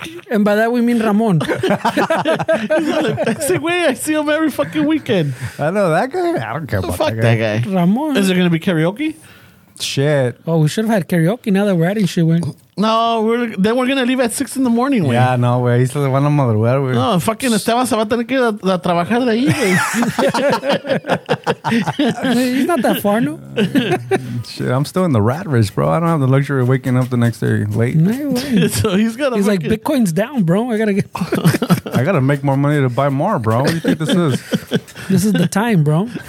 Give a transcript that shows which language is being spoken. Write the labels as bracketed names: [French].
[English] And by that we mean Ramon. I say, wait, I see him every fucking weekend. I know that guy. I don't care about that guy. Ramon. Is there gonna be karaoke? Shit. Oh, we should have had karaoke now that we're adding shit. We're gonna leave at 6 in the morning. Wey. [Spanish] Yeah, no, wey. Se van a madrugar, wey. No, fucking Esteban se va a tener que a trabajar de ahí, wey. [English] He's not that far, no? Shit, I'm still in the rat race, bro. I don't have the luxury of waking up the next day late. No way. So he's like, Bitcoin's down, bro. I gotta make more money to buy more, bro. What do you think this is? This is the time, bro.